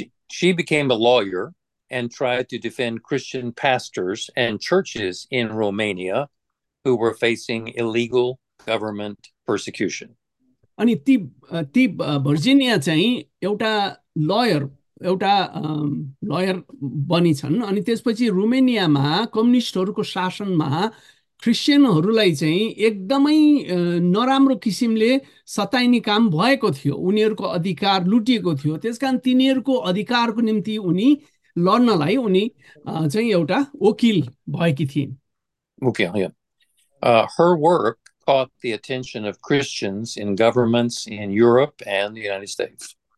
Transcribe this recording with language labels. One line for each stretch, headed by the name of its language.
English: She became a lawyer and tried to defend Christian pastors and churches in Romania who were facing illegal government persecution.
Nepali: अनि ती ती Virginia चाहिँ एउटा lawyer बनिछन् अनि त्यसपछि रोमेनियामा कम्युनिस्टहरूको शासनमा क्रिस्चियनहरूलाई चाहिँ एकदमै नराम्रो किसिमले सताइने काम भएको थियो, उनीहरूको अधिकार लुटिएको थियो, त्यसकारण तिनीहरूको अधिकारको निम्ति उनी लड्नलाई उनी चाहिँ एउटा वकिल भएकी थिइन्।
English: Okay, yeah. Her work caught the attention of Christians in governments in Europe and the United States.